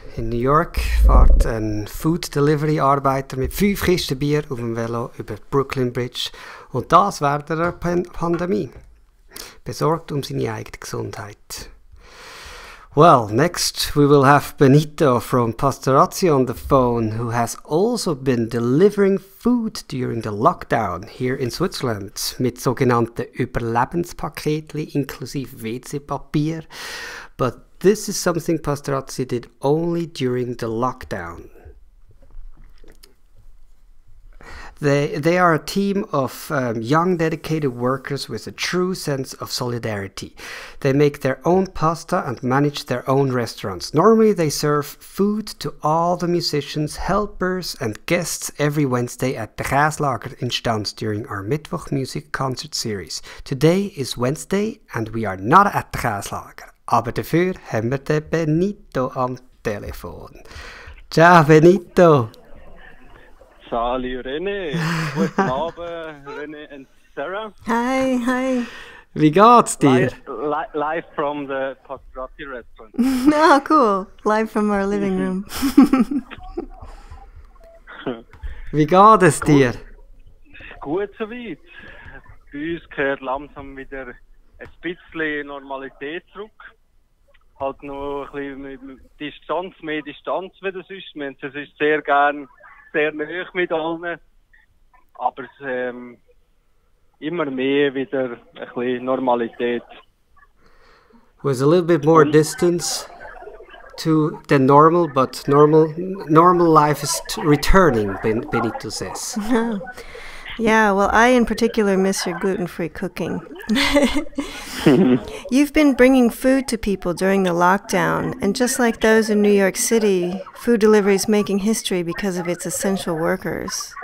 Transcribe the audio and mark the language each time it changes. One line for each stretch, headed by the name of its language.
German: In New York fährt ein Food Delivery Arbeiter mit 5 Kisten Bier auf dem Velo über Brooklyn Bridge und das während der Pandemie. Besorgt um seine eigene Gesundheit.
English: Well, next we will have Benito from Pastorazzi on the phone, who has also been delivering food during the lockdown here in Switzerland
German: mit sogenannten Überlebenspaketli inklusive WC-Papier.
English: But this is something Pastorazzi did only during the lockdown. They are a team of young, dedicated workers with a true sense of solidarity. They make their own pasta and manage their own restaurants. Normally, they serve food to all the musicians, helpers and guests every Wednesday at the Käslager in Stans during our Mittwoch Music Concert Series. Today is Wednesday and we are not at the Käslager.
German: Aber dafür haben wir den Benito am Telefon. Ciao, Benito! Salut, René. Guten Abend, René and Sarah.
English: Hi, hi.
German: Wie geht's dir?
English: Live from the Pastorazzi restaurant. Oh, cool. Live from our living room.
German: Wie geht es dir? Gut soweit. Bei uns gehört langsam wieder ein bisschen Normalität zurück. Halt noch ein bisschen Distanz, mehr Distanz, wie das ist. Es ist sehr gern. Sehr nöch mit allen, aber es, immer mehr wieder ein bisschen Normalität.
English: With a little bit more distance to the normal, but normal life is returning, Benito says. Yeah, well, I in particular miss your gluten-free cooking. You've been bringing food to people during the lockdown, and just like those in New York City, food delivery is making history because of its essential workers.